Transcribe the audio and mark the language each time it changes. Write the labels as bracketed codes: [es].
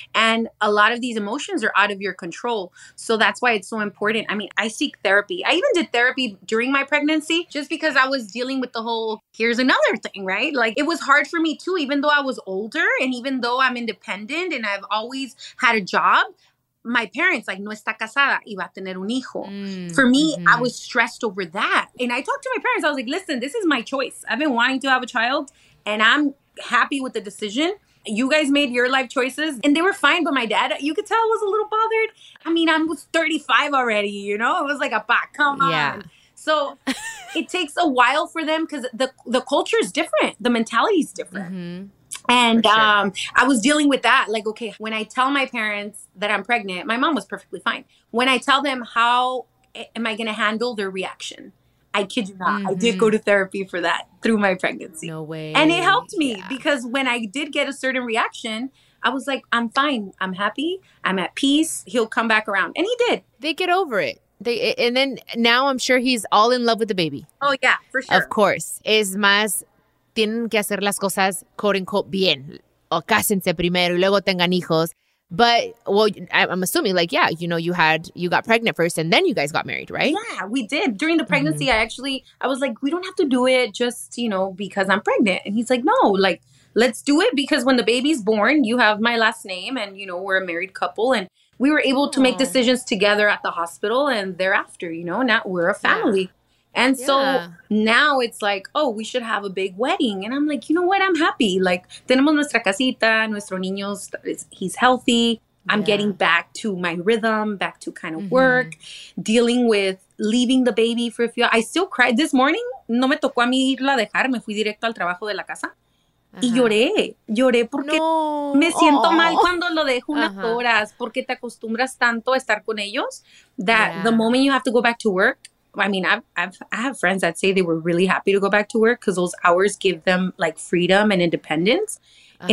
[en] And a lot of these emotions are out of your control. So that's why it's so important. I mean, I seek therapy. I even did therapy during my pregnancy just because I was dealing with the whole, here's another thing, right? Like it was hard for me too, even though I was older and even though I'm independent and I've always had a job. My parents, like, [es] no está casada, iba a tener un hijo. [en] For me, mm-hmm. I was stressed over that. And I talked to my parents. I was like, listen, this is my choice. I've been wanting to have a child, and I'm happy with the decision. You guys made your life choices, and they were fine. But my dad, you could tell, was a little bothered. I mean, I was 35 already, you know? It was like a pack. Come on. Yeah. So it takes a while for them because the culture is different. The mentality is different. Mm-hmm. And I was dealing with that. Like, okay, when I tell my parents that I'm pregnant, my mom was perfectly fine. When I tell them, how am I going to handle their reaction? I kid you not. Mm-hmm. I did go to therapy for that through my pregnancy. No way. And it helped me because when I did get a certain reaction, I was like, I'm fine. I'm happy. I'm at peace. He'll come back around. And he did. They get over it. And then now I'm sure he's all in love with the baby. Oh, yeah, for sure. Of course. [es] Es más... tienen que hacer las cosas, quote unquote, bien. O cásense primero y luego tengan hijos. [en] But, well, I'm assuming, like, yeah, you know, you got pregnant first and then you guys got married, right? Yeah, we did. During the pregnancy, mm-hmm. I was like, we don't have to do it just, you know, because I'm pregnant. And he's like, no, like, let's do it because when the baby's born, you have my last name and, you know, we're a married couple. And we were able to make decisions together at the hospital and thereafter, you know, now we're a family. Yeah. And so now it's like, oh, we should have a big wedding. And I'm like, you know what? I'm happy. [es] Like, tenemos nuestra casita, nuestro niño, [en] he's healthy. I'm getting back to my rhythm, back to kind of work, dealing with leaving the baby for a few hours. I still cried this morning. [es] No me tocó a mí irla a dejar. Me fui directo al trabajo de la casa. Y lloré porque me siento mal cuando lo dejo unas horas, porque te acostumbras tanto a estar con ellos [en] that the moment you have to go back to work, I mean, I have friends that say they were really happy to go back to work because those hours give them like freedom and independence. Uh-huh.